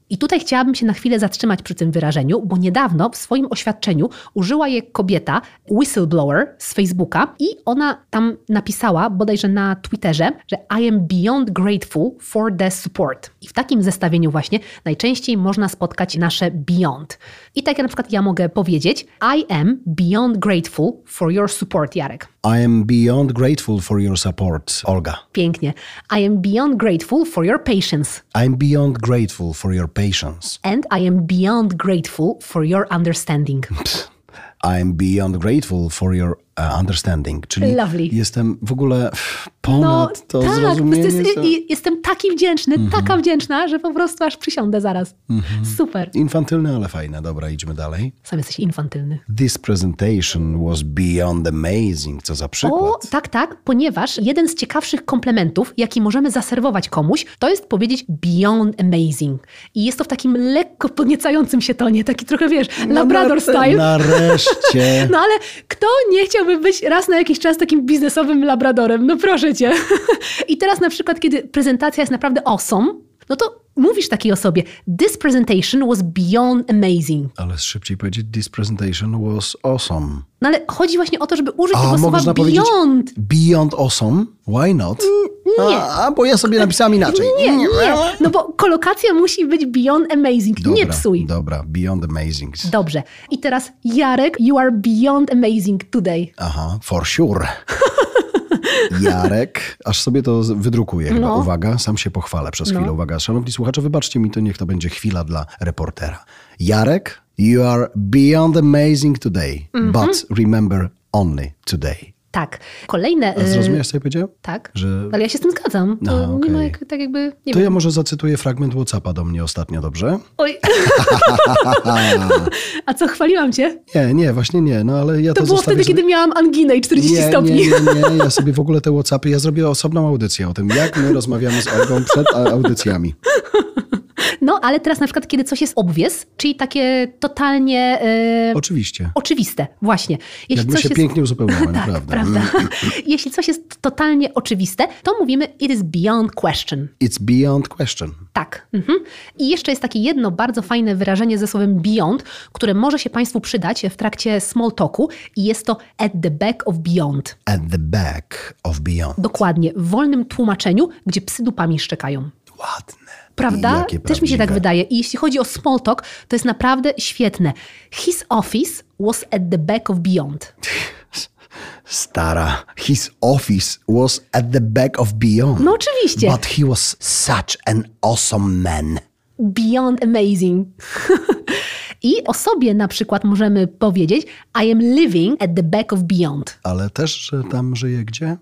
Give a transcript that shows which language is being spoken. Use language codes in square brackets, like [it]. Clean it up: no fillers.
[pl] I tutaj chciałabym się na chwilę zatrzymać przy tym wyrażeniu, bo niedawno w swoim oświadczeniu użyła je kobieta, whistleblower z Facebooka i ona tam napisała bodajże na Twitterze, że [en] I am beyond grateful for the support. [pl] I w takim zestawieniu właśnie najczęściej można spotkać nasze beyond. I tak jak na przykład ja mogę powiedzieć [en] I am beyond grateful for your support, Jarek. I am beyond grateful for your support, Olga. [pl] Pięknie. [en] I am beyond grateful for your patience. I am beyond grateful for your patience. And I am beyond grateful for your understanding. I am beyond grateful for your understanding. [pl] Czyli [en] lovely. [pl] Jestem w ogóle ponad no, to tak, zrozumienie. Tak, jestem taki wdzięczny, mm-hmm. Taka wdzięczna, że po prostu aż przysiądę zaraz. Mm-hmm. Super. Infantylny, ale fajne. Dobra, idźmy dalej. Sam jesteś infantylny. [en] This presentation was beyond amazing. [pl] Co za przykład. O, tak, tak, ponieważ jeden z ciekawszych komplementów, jaki możemy zaserwować komuś, to jest powiedzieć beyond amazing. I jest to w takim lekko podniecającym się tonie, taki trochę, wiesz, no, Labrador style. Nareszcie. No ale kto nie chciałby być raz na jakiś czas takim biznesowym labradorem. No proszę cię. I teraz na przykład, kiedy prezentacja jest naprawdę awesome, no to mówisz takiej osobie, [en] this presentation was beyond amazing. [pl] Ale szybciej powiedzieć, [en] this presentation was awesome. [pl] No ale chodzi właśnie o to, żeby użyć a, tego słowa beyond. [en] Beyond awesome? Why not? [pl] Nie. A, bo ja sobie napisałam inaczej. Nie, nie. No bo kolokacja musi być beyond amazing. Dobra, nie psuj. Dobra, beyond amazing. Dobrze. I teraz [en] Jarek, you are beyond amazing today. Aha, for sure. [pl] Jarek, aż sobie to wydrukuję. No. Uwaga, sam się pochwalę przez chwilę. Uwaga, szanowni słuchacze, wybaczcie mi to, niech to będzie chwila dla reportera. Jarek, [en] You are beyond amazing today, mm-hmm. but remember only today. [pl] Tak. Kolejne... A zrozumiałeś, co ja powiedziałem? Tak, że... ale ja się z tym zgadzam. To aha, okay. Nie ma jak, tak jakby... Nie to wiem. Ja może zacytuję fragment WhatsAppa do mnie ostatnio, dobrze? Oj. A co, chwaliłam cię? Nie, właśnie nie, no ale ja to zostawię... To było wtedy, kiedy miałam anginę i 40 stopni. Nie, ja sobie w ogóle te WhatsAppy, ja zrobię osobną audycję o tym, jak my rozmawiamy z Olgą przed audycjami. No, ale teraz na przykład, kiedy coś jest obvious, czyli takie totalnie... Oczywiście. Oczywiste, właśnie. Jakby się jest... pięknie uzupełniamy, tak, prawda. Prawda. Jeśli coś jest totalnie oczywiste, to mówimy [en] it is beyond question. It's beyond question. [pl] Tak. Mhm. I jeszcze jest takie jedno bardzo fajne wyrażenie ze słowem beyond, które może się Państwu przydać w trakcie small talku i jest to [en] at the back of beyond. At the back of beyond. [pl] Dokładnie. W wolnym tłumaczeniu, gdzie psy dupami szczekają. Ładne. Prawda? Też mi się tak wydaje. I jeśli chodzi o small talk, to jest naprawdę świetne. [en] His office was at the back of beyond. Stara, his office was at the back of beyond. [pl] No oczywiście. [en] But he was such an awesome man. Beyond amazing. [pl] I o sobie na przykład możemy powiedzieć [en] I am living at the back of beyond. [pl] Ale też, że tam żyje gdzie?